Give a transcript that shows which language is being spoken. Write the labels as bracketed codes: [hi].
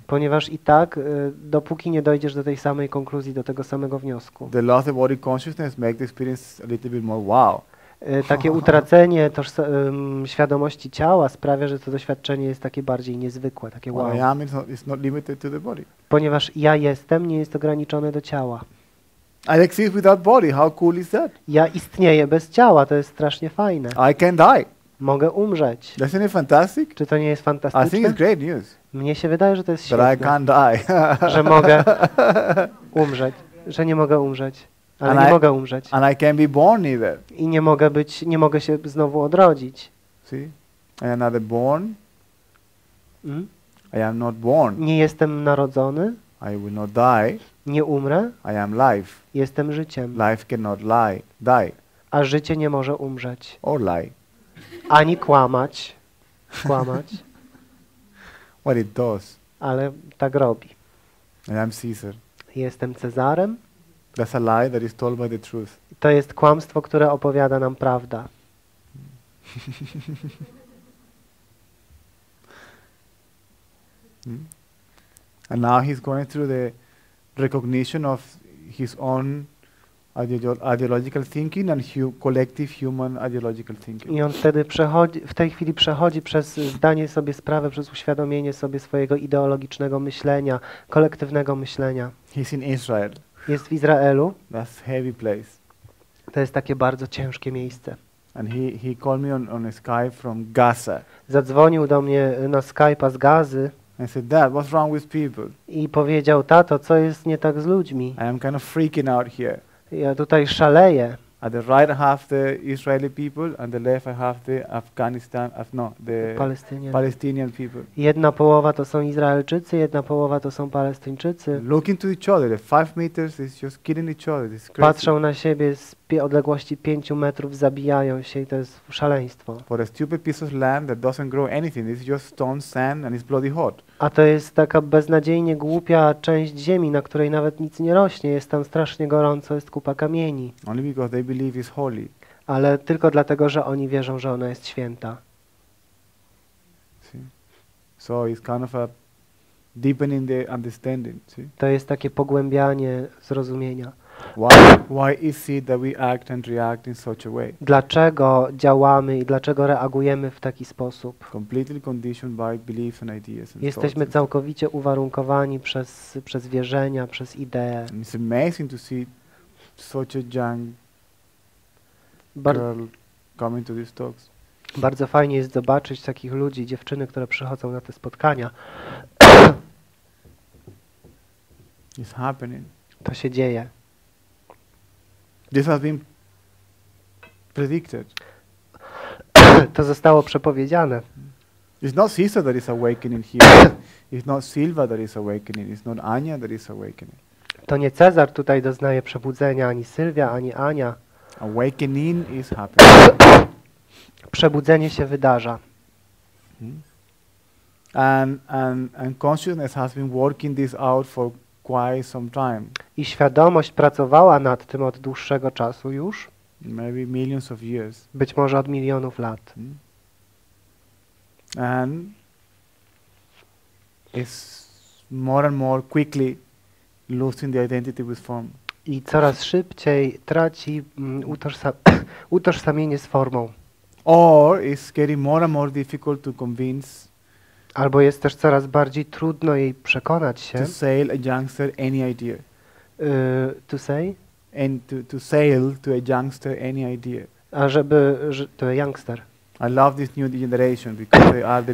[pl] Ponieważ i tak, dopóki nie dojdziesz do tej samej konkluzji, do tego samego wniosku. [en] The loss of body consciousness makes the experience a little bit more wow. [pl] Takie utracenie świadomości ciała sprawia, że to doświadczenie jest takie bardziej niezwykłe, takie wow. [en] Well, I am, it's not limited to the body. [pl] Ponieważ ja jestem, nie jest ograniczone do ciała. [en] I exist without body. How cool is that? [pl] Ja istnieję bez ciała, to jest strasznie fajne. [en] I can die. [pl] Mogę umrzeć. [en] Isn't it fantastic? [pl] Czy to nie jest fantastyczne? [en] I think it's great news. [pl] Mnie się wydaje, że to jest świetne. [en] But I can die. [pl] Że mogę umrzeć. Że nie mogę umrzeć. Ale [en] and [pl] nie [en] I, [pl] mogę umrzeć. [en] And I can be born either. [pl] I nie mogę być, nie mogę się znowu odrodzić. [en] See? I am not born. I am not born. [pl] Nie jestem narodzony. [en] I will not die. [pl] Nie umrę. [en] I am life. [pl] Jestem życiem. [en] Life cannot lie. Die. [pl] A życie nie może umrzeć. [en] Or lie. [pl] Ani kłamać. Kłamać. [en] What it does. [pl] Ale tak robi. [en] I am Caesar. [pl] Jestem Cezarem. [en] That's a lie that is told by the truth. [pl] To jest kłamstwo, które opowiada nam prawda. [en] And now he's going through the recognition of his own ideological thinking and collective human ideological thinking. [pl] I on wtedy przechodzi, w tej chwili przechodzi przez zdanie sobie sprawy, przez uświadomienie sobie swojego ideologicznego myślenia, kolektywnego myślenia. [en] He's in Israel. [pl] Jest w Izraelu. [en] That's heavy place. [pl] To jest takie bardzo ciężkie miejsce. [en] And he called me on Skype from Gaza. [pl] Zadzwonił do mnie na Skype'a z Gazy. [en] I said, "Dad, what's wrong with people?" [pl] I powiedział, tato, co jest nie tak z ludźmi? [en] I am kind of freaking out here. [pl] Ja tutaj szaleję. [en] At the right half the Israeli people, and the left half the Afghanistan, Palestinian people. [pl] Jedna połowa to są Izraelczycy, jedna połowa to są Palestyńczycy. [en] Looking to each other, the 5 meters is just killing each other. It's crazy. [pl] Patrzą na siebie z odległości 5 metrów, zabijają się, i to jest szaleństwo. [en] For a stupid piece of land that doesn't grow anything, it's just stone, sand, and it's bloody hot. [pl] A to jest taka beznadziejnie głupia część ziemi, na której nawet nic nie rośnie. Jest tam strasznie gorąco, jest kupa kamieni. [en] Only because they believe it's holy. [pl] Ale tylko dlatego, że oni wierzą, że ona jest święta. [en] See? So it's kind of a deepening the understanding. See? [pl] To jest takie pogłębianie zrozumienia. [en] Why is it that we act and react in such a way? [pl] Dlaczego działamy i dlaczego reagujemy w taki sposób? [en] Completely conditioned by beliefs and ideas. [pl] Jesteśmy całkowicie uwarunkowani przez wierzenia, przez idee. [en] It's amazing to see such a young girl coming to these talks. [pl] Bardzo fajnie jest zobaczyć takich ludzi, dziewczyny, które przychodzą na te spotkania. [en] It's happening. [pl] To się dzieje. [en] This has been predicted. [pl] To zostało przepowiedziane. [en] It's not Sisa that is awakening here. It's not Silva that is awakening. It's not Ania that is awakening. [pl] To nie Cezar tutaj doznaje przebudzenia, ani Sylwia, ani Ania. [en] Awakening is happening. [pl] Przebudzenie się wydarza. [en] And consciousness has been working this out for quite some time. [pl] I świadomość pracowała nad tym od dłuższego czasu już. [en] Maybe millions of years. [pl] Być może od milionów lat. [en] And it's more and more quickly losing the identity with form. [pl] I coraz szybciej traci utożsamienie z formą. [en] Or it's getting more and more difficult to convince. [pl] Albo jest też coraz bardziej trudno jej przekonać się. [en] To sell a youngster any idea. To say? And to sell to a youngster any idea. [pl] A żeby, że to youngster. [en] I love this new generation because they are the